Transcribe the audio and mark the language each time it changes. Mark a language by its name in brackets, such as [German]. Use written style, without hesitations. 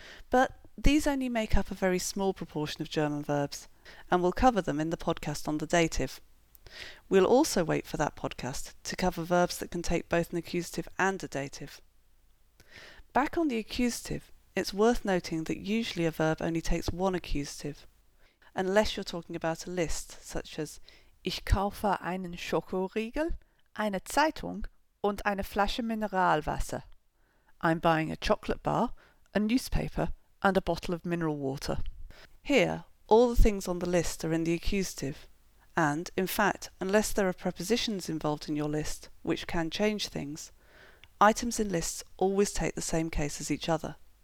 [English] but these only make up a very small proportion of German verbs, and we'll cover them in the podcast on the dative. We'll also wait for that podcast to cover verbs that can take both an accusative and a dative. Back on the accusative, it's worth noting that usually a verb only takes one accusative, unless you're talking about a list, such as [German] Ich kaufe einen Schokoriegel, eine Zeitung und eine Flasche Mineralwasser. [English] I'm buying a chocolate bar, a newspaper and a bottle of mineral water. Here, all the things on the list are in the accusative. And, in fact, unless there are prepositions involved in your list, which can change things, items in lists always take the same case as each other.